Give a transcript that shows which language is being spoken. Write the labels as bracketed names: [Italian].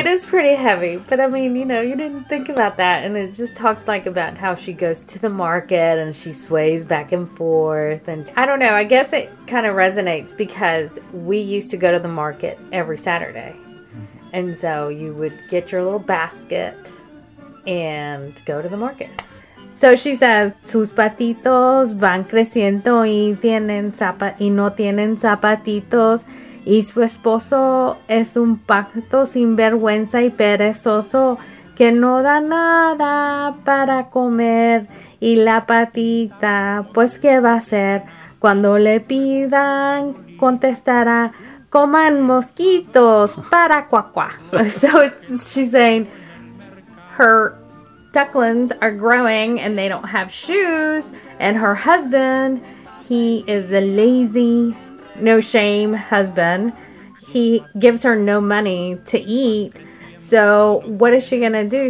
[English] It is pretty heavy, but I mean, you know, you didn't think about that. And it just talks like about how she goes to the market and she sways back and forth. And I don't know, I guess it kind of resonates because we used to go to the market every Saturday. And so you would get your little basket and go to the market. So she says, [Spanish] sus patitos van creciendo y tienen y no tienen zapatitos. Y su esposo es un pato sin vergüenza y perezoso que no da nada para comer. Y la patita, pues, ¿qué va a hacer? Cuando le pidan, contestará, coman mosquitos para cuacua. [English] So it's, she's saying her ducklings are growing and they don't have shoes. And her husband, he is the lazy, no shame husband. He gives her no money to eat. So what is she going to do?